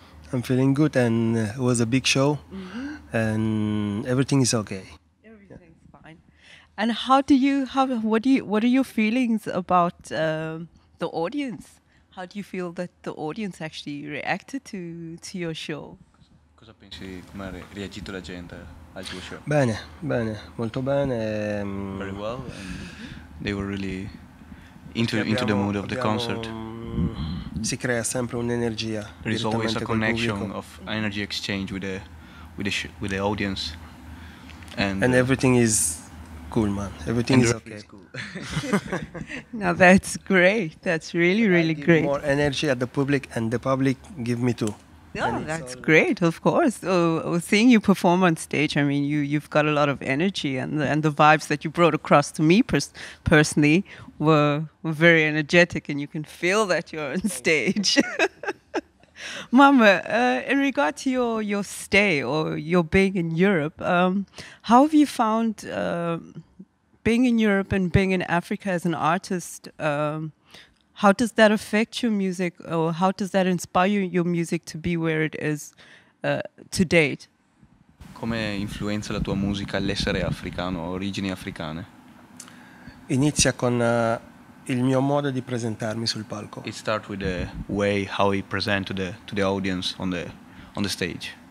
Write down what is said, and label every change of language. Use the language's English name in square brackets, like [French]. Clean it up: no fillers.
[English] I'm feeling good, and it was a big show, and everything is okay. Everything's fine. And how do you have? What are your feelings about the audience? How do you feel that the audience actually reacted to your show? [Italian] Cosa pensi come ha reagito la gente al tuo show? Bene, bene, molto bene. [English] Very well, and they were really into the mood of the concert. [Italian] Si crea sempre un'energia. [English] There's always a connection of energy exchange with the audience, and everything is cool, man. Everything is okay. Now that's great. That's really, really great. More energy at the public, and the public give me too. Yeah, that's great. Of course. Oh, seeing you perform on stage, I mean, you've got a lot of energy, and the vibes that you brought across to me personally were very energetic, and you can feel that you're on stage. Mama, in regard to your stay or your being in Europe, how have you found being in Europe and being in Africa as an artist? How does that affect your music, or how does that inspire your music to be where it is to date? [Italian] Come influenza la tua musica l'essere africano, origini africane? Inizia con il mio modo di presentarmi sul palco. [English] It starts with the way how I present to the audience on the stage.